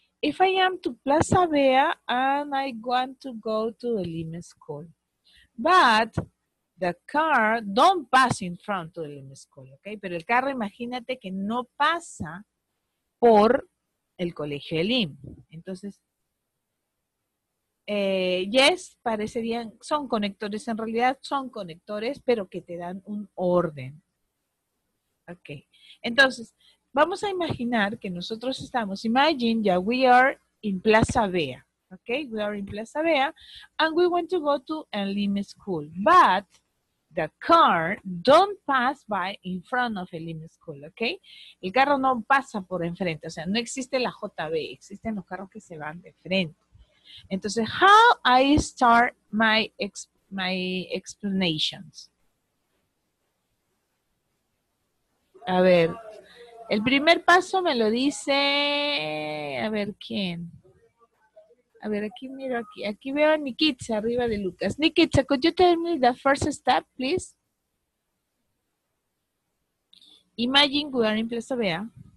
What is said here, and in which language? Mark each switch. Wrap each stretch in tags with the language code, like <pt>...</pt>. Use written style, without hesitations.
<en>If I am to Plaza Vea and I want to go to the Lima School, but the car don't pass in front of the Lima School, okay?</en> <es>Pero el carro, imagínate que no pasa por el colegio de Lima. Entonces, yes, parecerían, son conectores, en realidad son conectores, pero que te dan un orden. Okay. Entonces, vamos a imaginar que nosotros estamos,</es> <en>imagine, yeah, we are in Plaza Vea, okay? We are in Plaza Vea, and we want to go to Elim School, but the car don't pass by in front of Elim School, okay?</en> <es>El carro no pasa por enfrente, o sea, no existe la JB, existen los carros que se van de frente.</es> <en>Entonces, how I start my explanations?</en> <es>A ver. El primer paso me lo dice, a ver, ¿quién? A ver, aquí miro, aquí veo a Nikitza arriba de Lucas.</es> <en>Nikitza, could you tell me the first step, please? Imagine we are in Plaza Vea.</en>